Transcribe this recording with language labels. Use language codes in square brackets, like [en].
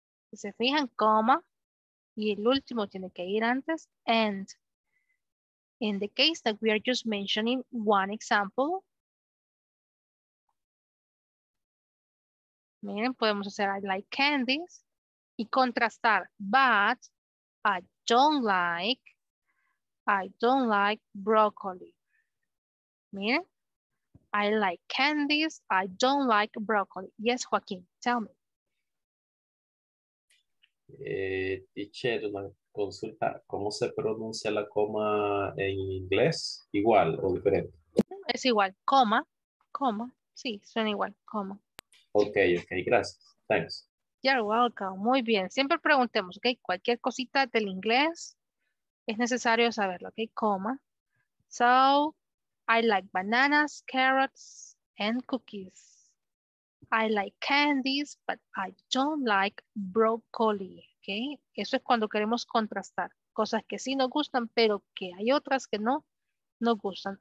[es] Si se fijan, comma, y el último tiene que ir antes, [en] and in the case that we are just mentioning one example, [es] miren, podemos hacer [en] I like candies [es] y contrastar, [en] but I don't like broccoli. Miren, I like candies, I don't like broccoli. Yes, Joaquín, tell me. [es] Teacher, una consulta, ¿cómo se pronuncia la coma en inglés? ¿Igual o diferente? Es igual, coma, sí, suena igual, coma. Okay, gracias. [en] Thanks. You're welcome. [es] Muy bien. Siempre preguntemos, ¿ok? Cualquier cosita del inglés es necesario saberlo, ¿ok? [en] Coma. So, I like bananas, carrots, and cookies. I like candies, but I don't like broccoli, ¿ok? [es] Eso es cuando queremos contrastar cosas que sí nos gustan, pero que hay otras que no nos gustan.